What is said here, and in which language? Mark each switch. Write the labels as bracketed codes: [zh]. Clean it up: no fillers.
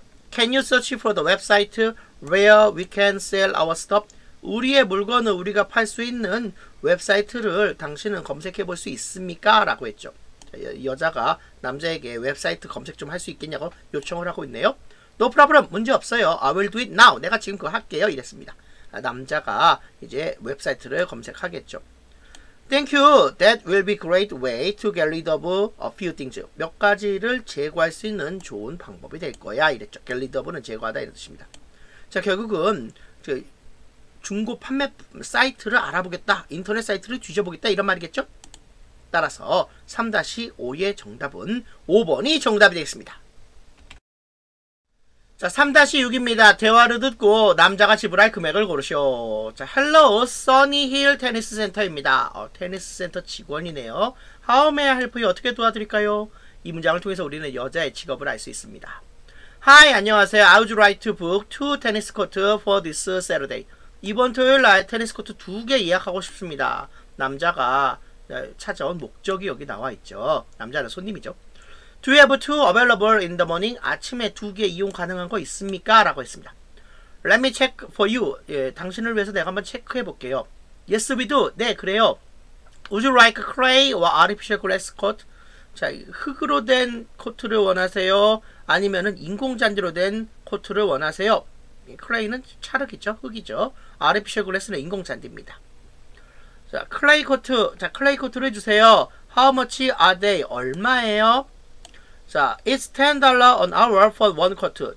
[en] Can you search for the website where we can sell our stuff? [ko] 우리의 물건을 우리가 팔 수 있는 웹사이트를 당신은 검색해 볼 수 있습니까? 라고 했죠. 여자가 남자에게 웹사이트 검색 좀 할 수 있겠냐고 요청을 하고 있네요. [en] No problem. [ko] 문제 없어요. [en] I will do it now. [ko] 내가 지금 그거 할게요. 이랬습니다. 남자가 이제 웹사이트를 검색하겠죠. [en] Thank you. That will be a great way to get rid of a few things. [ko] 몇 가지를 제거할 수 있는 좋은 방법이 될 거야. 이랬죠. Get rid of는 제거하다 이런 뜻입니다. 자, 결국은 중고 판매 사이트를 알아보겠다. 인터넷 사이트를 뒤져보겠다. 이런 말이겠죠? 따라서 3-5의 정답은 5번이 정답이 되겠습니다. 자, 3-6입니다. 대화를 듣고 남자가 지불할 금액을 고르시오. 자, Hello, Sunny Hill 테니스 센터입니다. 테니스 센터 직원이네요. [en] How may I help you? [ko] 어떻게 도와드릴까요? 이 문장을 통해서 우리는 여자의 직업을 알 수 있습니다. Hi, 안녕하세요. [en] I would like to book 2 테니스 코트 for this Saturday. [ko] 이번 토요일 날 테니스 코트 두 개 예약하고 싶습니다. 남자가 찾아온 목적이 여기 나와 있죠. 남자는 손님이죠. [en] Do you have two available in the morning? [ko] 아침에 두 개 이용 가능한 거 있습니까? 라고 했습니다. [en] Let me check for you. [ko] 예, 당신을 위해서 내가 한번 체크해 볼게요. [en] Yes, we do. [ko] 네, 그래요. [en] Would you like clay or artificial grass court? [ko] 자, 흙으로 된 코트를 원하세요? 아니면은 인공잔디로 된 코트를 원하세요? 클레이는 찰흙이죠. 흙이죠. 아르피셜 그레스는 인공잔디입니다. 자, 클레이 코트. 자, 클레이 코트를 주세요. [en] How much are they? [ko] 얼마예요? 자, [en] it's $10 an hour for one court.